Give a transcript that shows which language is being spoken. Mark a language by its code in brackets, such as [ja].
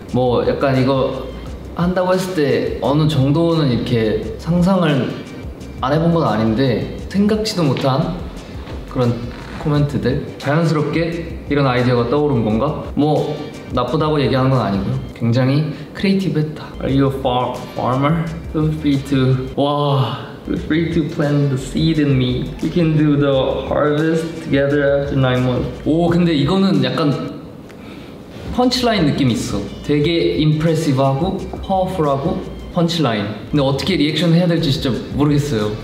[ko] 뭐 약간 이거 한다고 했을 때 어느 정도는 이렇게 상상을 안 해본 건 아닌데 생각지도 못한 그런 코멘트들 자연스럽게 이런 아이디어가 떠오른 건가? 뭐 나쁘다고 얘기하는 건 아니고요. 굉장히 크리에이티브했다. [en] Are you a farmer? Feel free to. [ko] 와 [en] Feel free to plant the seed in me. We can do the harvest together after 9 months. [ko] 오, 근데 이거는 약간 펀치라인 느낌 있어. 되게 impressive하고 powerful하고 펀치라인. 근데 어떻게 리액션 해야 될지 진짜 모르겠어요.